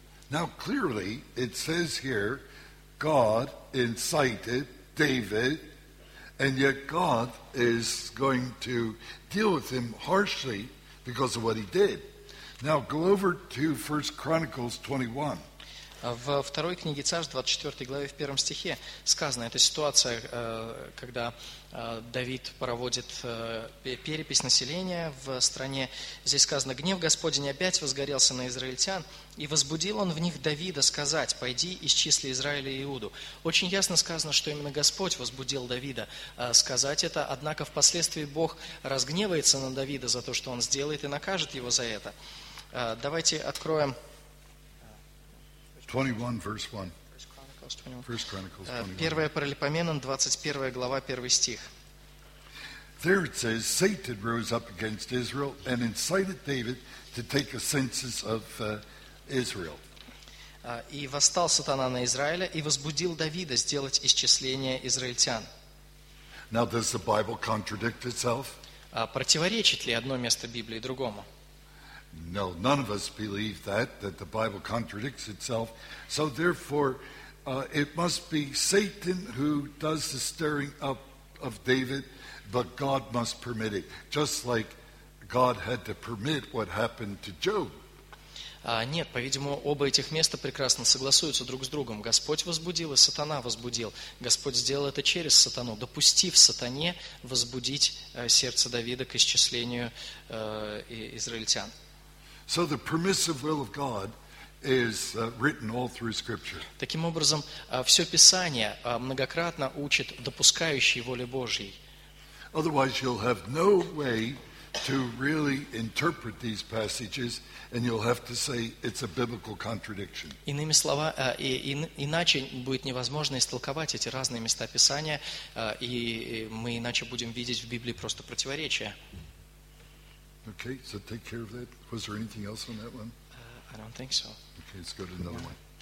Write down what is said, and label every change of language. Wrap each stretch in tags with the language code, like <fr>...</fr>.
<en>Now, clearly, it says here, God incited David, and yet God is going to deal with him harshly because of what he did. Now, go over to 1 Chronicles 21.</en> <ru>Во второй книге Царств, 24 главе, в первом стихе сказана эта ситуация, когда Давид проводит перепись населения в стране. Здесь сказано, гнев Господень опять возгорелся на израильтян, и возбудил он в них Давида сказать, пойди исчисли Израиля и Иуду. Очень ясно сказано, что именно Господь возбудил Давида сказать это, однако впоследствии Бог разгневается на Давида за то, что он сделает, и накажет его за это. Давайте откроем</ru> <en>21, verse 1. First Chronicles 21.</en> <ru>Первая Паралипоменон, 21 глава, 1 стих.</ru> <en>There it says, Satan rose up against Israel and incited David to take a census of Israel.</en> <ru>И восстал сатана на Израиля и возбудил Давида сделать исчисление израильтян.</ru> <en>Now, does the Bible contradict itself?</en> <ru>Противоречит ли одно место Библии другому?</ru> <en>No, none of us believe that, that the Bible contradicts itself. So therefore, it must be Satan who does the stirring up of David, but God must permit it, just like God had to permit what happened to Job.</en> <ru>Нет, по-видимому, оба этих места прекрасно согласуются друг с другом. Господь возбудил и сатана возбудил. Господь сделал это через сатану, допустив сатане возбудить сердце Давида к исчислению израильтян.</ru> <en>So the permissive will of God is written all through Scripture.</en> <ru>Таким образом, все Писание многократно учит допускающей воле Божьей.</ru> <en>Otherwise, you'll have no way to really interpret these passages, and you'll have to say it's a biblical contradiction.</en> <ru>Иными словами, иначе будет невозможно истолковать эти разные места Писания, и мы иначе будем видеть в Библии просто противоречия.</ru> <en>Okay, so take care of that. Was there anything else on that one? I don't think so. Okay, let's go to another one.</en>